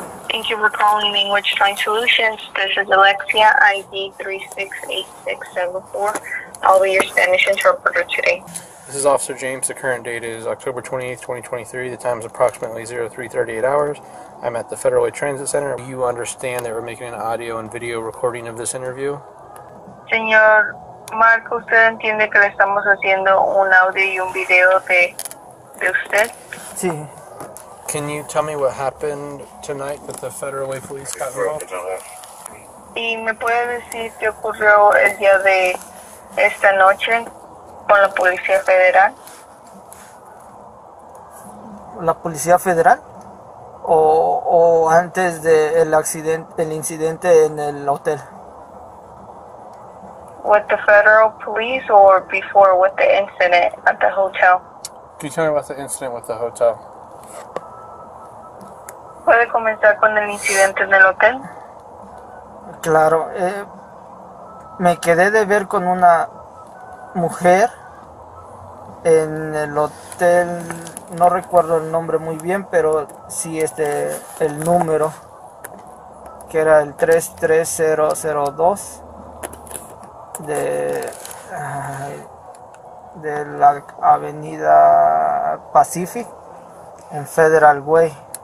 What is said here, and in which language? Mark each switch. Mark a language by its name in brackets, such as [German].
[English] Thank you for calling Language Trying Solutions. This is Alexia, ID 368674. I'll be your Spanish interpreter today. This is Officer James. The current date is October 28th, 2023. The time is approximately 03:38 hours. I'm at the Federal Way Transit Center. Do you understand that we're making an audio and video recording of this interview? [Spanish] Señor Marco, ¿usted entiende que le estamos haciendo un audio y un video de usted? Sí. [English] Can you tell me what happened tonight that the Federal Way Police got involved? [Spanish] ¿Y me puede decir qué ocurrió el día de esta noche? Con la Policía Federal. ¿La Policía Federal? ¿O antes del incidente en el hotel? [English] With the Federal Police or before with the incident at the hotel? Can you tell me about the incident with the hotel? [Spanish] ¿Puede comenzar con el incidente en el hotel? Claro. Me quedé de ver con una mujer en el hotel, no recuerdo el nombre muy bien, pero sí el número, que era el 33002 de la avenida Pacific en Federal Way.